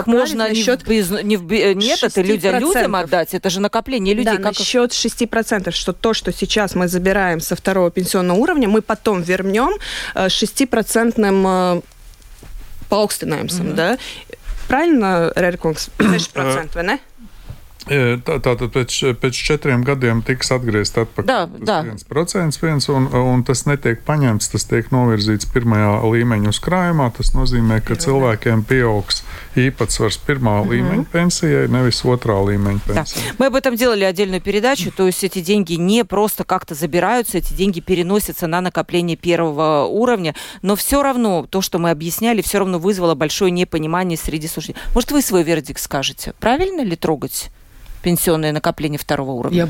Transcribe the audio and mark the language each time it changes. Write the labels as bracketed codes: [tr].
[ru] Их можно насчет людям отдать, это же накопление людей. Да, насчет 6%, что то, что сейчас мы забираем со второго пенсионного уровня, мы потом вернем 6% по Окстенаймсам, да? Правильно, Рерконгс? 6%, да? [lv] Tātad pēc 4 gadiem tiks atgriezt atpakaļ viens procents, un tas netiek paņemts, tas tiek novirzīts pirmajā līmeņa uzkrājumā. Tas nozīmē, ka cilvēkiem pieaugs īpatsvars pirmā līmeņa pensijai, nevis otrā līmeņa pensijai. [ru] Мы об этом делали отдельную передачу, то есть эти деньги не просто как-то забираются, эти деньги переносятся на накопление первого уровня, но все равно то, что мы объясняли, все равно вызвало большое непонимание среди слушателей. Может, вы свой вердикт скажете? Правильно ли трогать пенсионные накопления второго уровня?